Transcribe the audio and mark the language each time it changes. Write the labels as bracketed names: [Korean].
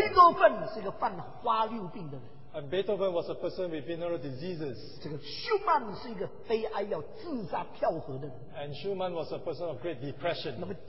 [Chinese] 贝多芬是一个犯花六病的人, [English] and Beethoven was a person with venereal diseases. [Chinese] 这个舒曼是一个悲哀要自杀跳河的人, [English] and Schumann was a person of great depression.